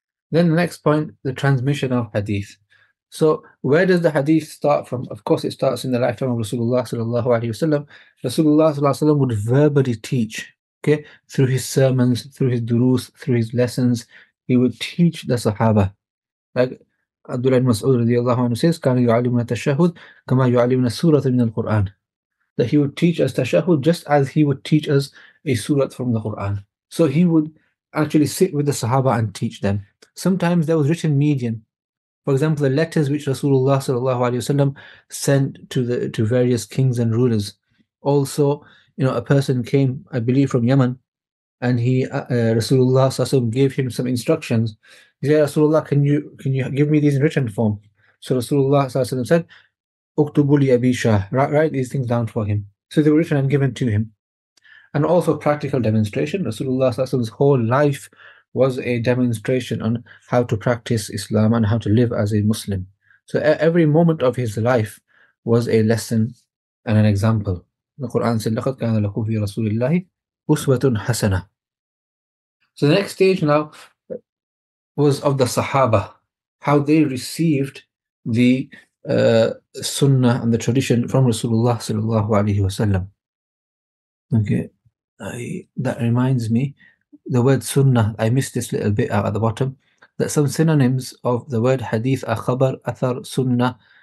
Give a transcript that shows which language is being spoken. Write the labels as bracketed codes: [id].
[en] Then the next point, the transmission of hadith. So where does the hadith start from? Of course, it starts in the lifetime of Rasulullah sallallahu alaihi wasallam. Rasulullah sallallahu alaihi wasallam would verbally teach, okay, through his sermons, through his durus, through his lessons. He would teach the Sahaba. Like Abdullah ibn Mas'ud radiallahu anhu says, [ar] كَانَ يُعَلِّمُنَا التَّشَهُدْ كَمَا يُعَلِّمُنَا السُّورَةَ مِنَ الْقُرْآنِ. [en] That he would teach us tashahud just as he would teach us a surat from the Quran. So he would actually sit with the Sahaba and teach them. Sometimes there was written medium. For example, the letters which Rasulullah sallallahu alayhi wa sallam sent to various kings and rulers. Also, you know, a person came, I believe, from Yemen, and he Rasulullah gave him some instructions. He said, Rasulullah, can you give me these in written form? So Rasulullah said, [ar] Uktubu li Abi Shah, [en] write these things down for him. So they were written and given to him. And also practical demonstration. Rasulullah's whole life was a demonstration on how to practice Islam and how to live as a Muslim. So every moment of his life was a lesson and an example. The Quran says, [ar] لَقَدْ كَانَ لَكُمْ فِي رَسُولِ اللَّهِ أُسْوَةٌ حَسَنَةٌ. [en] So the next stage now was of the Sahaba, how they received the Sunnah and the tradition from Rasulullah sallallahu alaihi wasallam. Okay, that reminds me, the word Sunnah, I missed this little bit out at the bottom, that some synonyms of the word Hadith are Khabar, Athar, Sunnah.